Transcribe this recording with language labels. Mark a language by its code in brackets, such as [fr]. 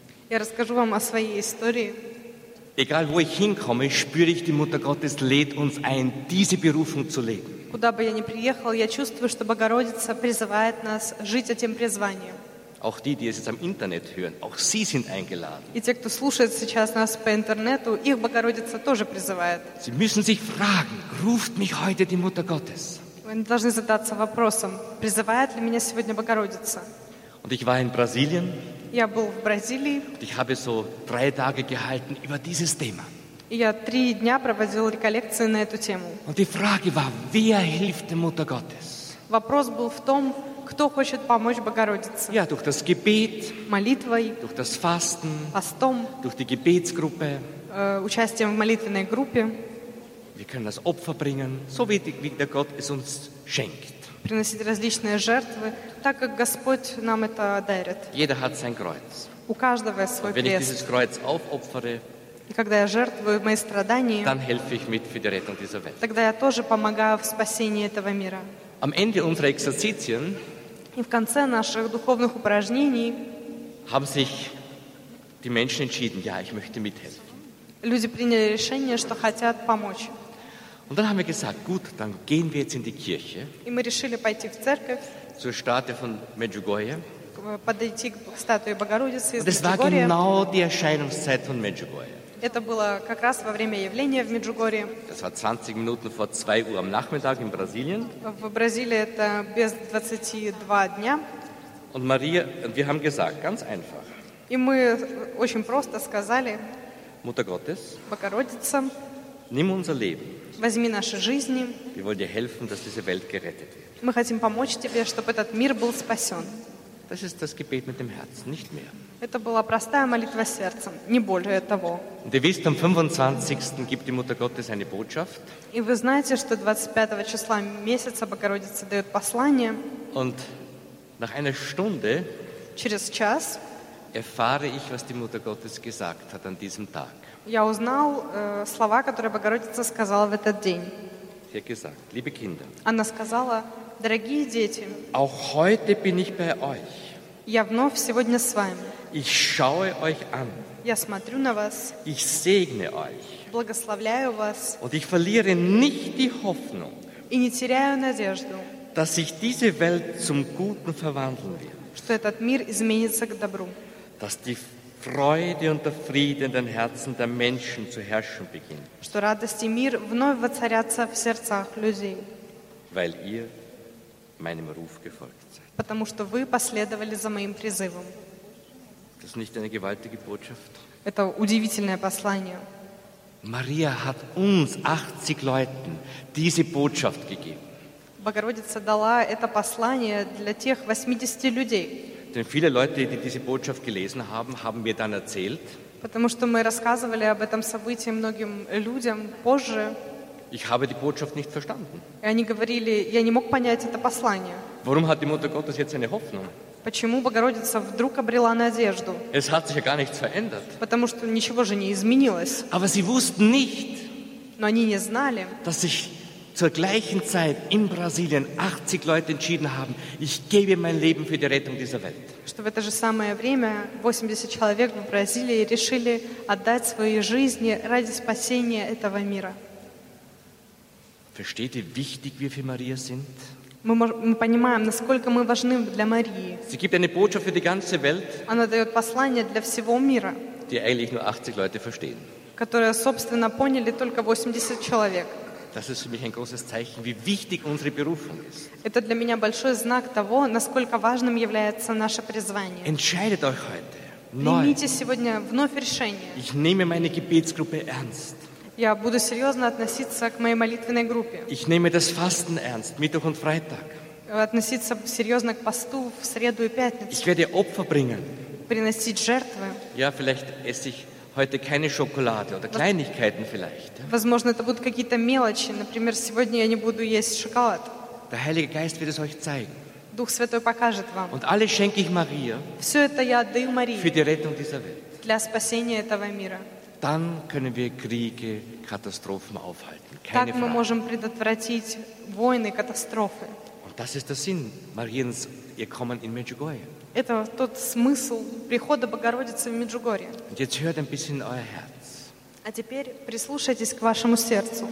[ru] Я расскажу вам о своей истории. [de] Egal wo ich hinkomme, spüre ich, die Mutter Gottes lädt uns ein, diese Berufung zu leben. [ru] Куда бы я ни приехал, я чувствую, что Богородица призывает нас жить этим призванием. [de] Auch die, die es jetzt am Internet hören, auch sie sind eingeladen. [ru] И те, кто слушает сейчас нас по интернету, их Богородица тоже призывает. [de] Sie müssen sich fragen, ruft mich heute die Mutter Gottes? [ru] Вы должны задаться вопросом, призывает ли меня сегодня Богородица? [de] Und ich war in Brasilien. [ru] Я был в Бразилии. [de] Und ich habe so drei Tage gehalten über dieses Thema. [ru] И я три дня проводил реколлекции на эту тему. [de] Und die Frage war, wer hilft der Mutter Gottes? [ru] Вопрос был в том, кто хочет помочь Богородице. [de] Ja, durch das Gebet, [ru] молитвой, [de] durch das Fasten, [ru] постом, [de] durch die Gebetsgruppe, [ru] участием в молитвенной группе. [de] Wir können das Opfer bringen, so wie der Gott es uns schenkt. [ru] Приносить различные жертвы, так как Господь нам это дарит. [de] Jeder hat sein Kreuz. [ru] У каждого свой крест. [de] Wenn ich dieses Kreuz aufopfere, [ru] и когда я жертвую мои страдания, [de] dann helfe ich mit für die Rettung dieser Welt. [ru] Тогда я тоже помогаю в спасении этого мира. [de] Am Ende unserer Exerzitien, [ru] и в конце наших духовных упражнений, [de] haben sich die Menschen entschieden, ja, ich möchte mithelfen. [ru] Люди приняли решение, что хотят помочь. [de] Und dann haben wir gesagt, gut, dann gehen wir jetzt in die Kirche. [ru] И мы решили пойти в церковь. [de] Zur Statue von Medjugorje. [ru] Подойти к статуе Богородицы из [de] Das war genau die Erscheinungszeit von Medjugorje. [ru] Это было как раз во время явления в Меджугорье. [de] Das war 20 Minuten vor 2 Uhr am Nachmittag in Brasilien. [ru] В Бразилии это без 22 дня. [de] Und Maria, und wir haben gesagt, ganz einfach. [ru] И мы очень просто сказали. [de] Mutter Gottes. [ru] Богородица. [de] Nimm unser Leben. [ru] Возьми наши жизни. [de] Wir wollen dir helfen, dass diese Welt gerettet wird. [ru] Мы хотим помочь тебе, чтобы этот мир был спасен. [de] Das ist das Gebet mit dem Herzen, nicht mehr. [ru] Это была простая молитва сердцем, не более того. [de] Und ihr wisst, am 25. gibt die Mutter Gottes eine Botschaft. [ru] И вы знаете, что 25 числа месяца Богородица дает послание. [de] Und nach einer Stunde, [ru] через час, [de] erfahre ich, was die Mutter Gottes gesagt hat an diesem Tag. [ru] Я узнал слова, которые Богородица сказала в этот день. [de] Wie gesagt, liebe Kinder, [ru] она сказала, дорогие дети, [de] auch heute bin ich bei euch. [ru] Я вновь сегодня с вами. [de] Ich schaue euch an. [ru] Я смотрю на вас. [de] Ich segne euch. [ru] Благословляю вас. [de] Und ich verliere nicht die Hoffnung, [ru] и не теряю надежду, [de] dass sich diese Welt zum Guten verwandeln wird. [ru] Что этот мир изменится к добру. [de] Dass die Freude und der Friede in den Herzen der Menschen zu herrschen beginnt. [ru] Что радость и мир вновь воцарятся в сердцах людей. [de] Weil ihr meinem Ruf gefolgt seid. [ru] Потому что вы последовали за моим призывом. [de] Das ist nicht eine gewaltige Botschaft. [ru] Это удивительное послание. [de] Maria hat uns 80 Leuten diese Botschaft gegeben. [ru] Богородица дала это послание для тех 80 людей. [de] Denn viele Leute, die diese Botschaft gelesen haben, haben mir dann erzählt. [ru] Потому что мы рассказывали об этом событии многим людям позже. [de] Ich habe die Botschaft nicht verstanden. [ru] И они говорили, я не мог понять это послание. [de] Warum hat die Mutter Gottes jetzt eine Hoffnung? [ru] Почему Богородица вдруг обрела надежду? [de] Es hat sich ja gar nichts verändert. [ru] Потому что ничего же не изменилось. [de] Aber sie wussten nicht. [ru] Но они не знали. [de] Dass ich zur gleichen Zeit in Brasilien 80 Leute entschieden haben, ich gebe mein Leben für die Rettung dieser Welt. [ru] Что в это же самое время 80 человек в Бразилии решили отдать свои жизни ради спасения этого мира. [de] Versteht ihr, wie wichtig wir für Maria sind? [ru] Мы понимаем, насколько мы важны для Марии. [de] Sie gibt eine Botschaft für die ganze Welt. [ru] Она дает послание для всего мира. [de] Die eigentlich nur 80 Leute verstehen. [ru] Которое, собственно, поняли только 80 человек. [de] Das ist für mich ein großes Zeichen, wie wichtig unsere Berufung ist. [ru] Это для меня большой знак того, насколько важным является наше призвание. [de] Entscheidet euch heute. [ru] Примите сегодня вновь решение. [de] Ich nehme meine Gebetsgruppe ernst. [ru] Я буду серьезно относиться к моей молитвенной группе. [de] Ich nehme das Fasten ernst, Mittwoch und Freitag. [ru] Относиться серьезно к посту в среду и пятницу. [de] Ich werde Opfer bringen. [ru] Приносить жертвы. [de] Ja, vielleicht esse ich heute keine Schokolade oder Kleinigkeiten vielleicht. [ru] Возможно, это будут какие-то мелочи. Например, сегодня я не буду есть шоколад. [de] Der Heilige Geist wird es euch zeigen. [ru] Дух Святой покажет вам. [de] Und alles schenke ich Maria. [ru] Все это я отдаю Марии. [de] Für die Rettung dieser Welt. [ru] Для спасения этого мира. [de] Dann können wir Kriege, Katastrophen aufhalten. Keine [ru] так Мы можем предотвратить войны, катастрофы. [de] Und das ist der Sinn Mariens, ihr Kommen in Medjugorje. [ru] Это тот смысл прихода Богородицы в Меджугорье. [de] Und jetzt hört ein bisschen in euer Herz. [ru] А теперь прислушайтесь к вашему сердцу.